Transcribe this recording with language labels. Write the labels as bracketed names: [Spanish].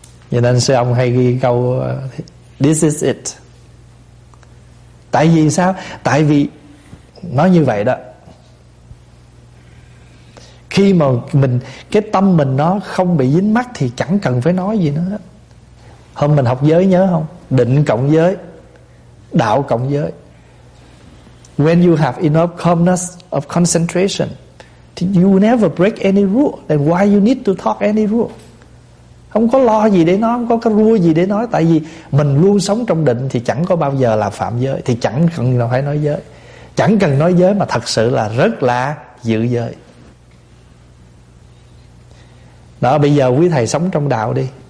[Vietnamese] Cho nên sư ông hay ghi câu [English] this is it. [Vietnamese] Tại vì sao? Tại vì nói như vậy đó, khi mà mình cái tâm mình nó không bị dính mắc thì chẳng cần phải nói gì nữa hết. Hôm mình học giới nhớ không? Định cộng giới, đạo cộng giới. [English] When you have enough calmness of concentration, you never break any rule. Then why you need to talk any rule? [Vietnamese] Không có lo gì để nói, không có cái rule gì để nói. Tại vì mình luôn sống trong định thì chẳng có bao giờ là phạm giới, thì chẳng cần phải nói giới. Chẳng cần nói giới mà thật sự là rất là giữ giới. Đó, bây giờ quý thầy sống trong đạo đi.